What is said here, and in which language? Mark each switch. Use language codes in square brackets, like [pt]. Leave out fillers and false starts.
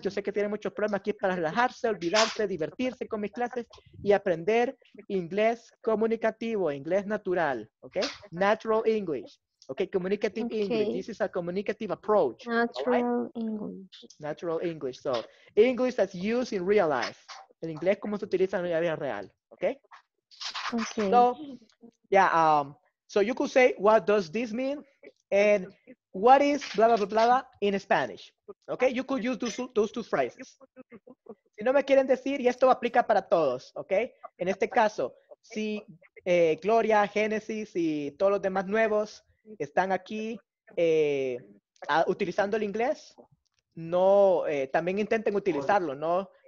[es] Yo sé que tienen muchos problemas. Aquí es para relajarse, olvidarse, divertirse con mis clases y aprender inglés comunicativo, inglés natural. [en] ¿Ok? Natural English. ¿Ok? Communicative English. This is a communicative approach. Natural English. Natural English. So, English that's used in real life. [es] El inglés como se utiliza en la vida real. ¿Ok? Okay. [en] So, yeah. So you could say, what does this mean? And what is blah, blah, blah, blah in Spanish? Okay, you could use those two phrases. [es] Si no me quieren decir, y esto aplica para todos, okay? En este caso, si Gloria, Genesis y todos los demás nuevos están aquí utilizando el inglés, no, también intenten utilizarlo, ¿no?